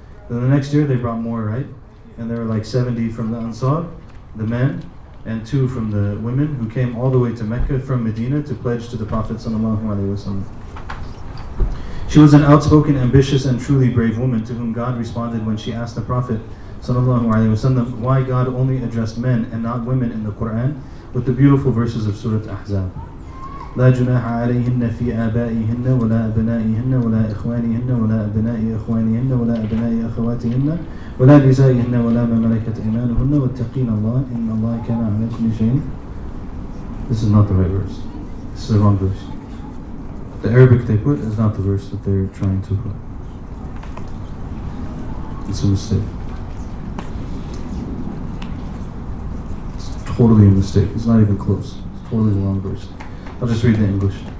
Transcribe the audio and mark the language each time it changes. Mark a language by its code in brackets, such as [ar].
[en] Then the next year they brought more, right? And there were like 70 from the Ansar, the men, and two from the women who came all the way to Mecca from Medina to pledge to the Prophet sallallahu alayhi wa sallam. She was an outspoken, ambitious, and truly brave woman to whom God responded when she asked the Prophet sallallahu alayhi wa sallam why God only addressed men and not women in the Quran with the beautiful verses of Surah Ahzab. [ar] لا جناح عليهن في آبائهن ولا أبنائهن ولا إخوانهن ولا أبناء إخوانهن ولا أبناء أخواتهن ولا نسائهن ولا ما ملكت أيمانهن واتقين الله إن الله كان على كل شيء. [en] This is not the right verse. This is the wrong verse. The Arabic they put is not the verse that they're trying to put. It's a mistake. It's totally a mistake. It's not even close. It's totally the wrong verse. I'll just read the English.